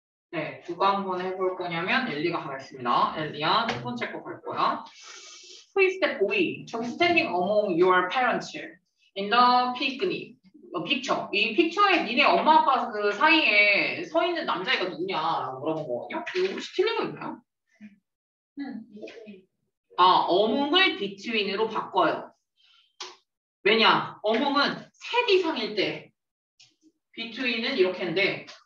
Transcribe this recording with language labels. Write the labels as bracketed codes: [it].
[ko] 네, 누가 한번 해볼 거냐면 엘리가 하겠습니다. 엘리야, 첫 번째 거 갈 거야. [en] Please step away. I'm standing among your parents in the picnic. Picture. [ko] 이 picture에 니네 엄마 아빠 그 사이에 서 있는 남자애가 누구냐라고 물어본 거거든요. 이거 혹시 틀린 거 있나요? 아, among을 between으로 바꿔요. 왜냐? among은 셋 이상일 때, between은 이렇게인데.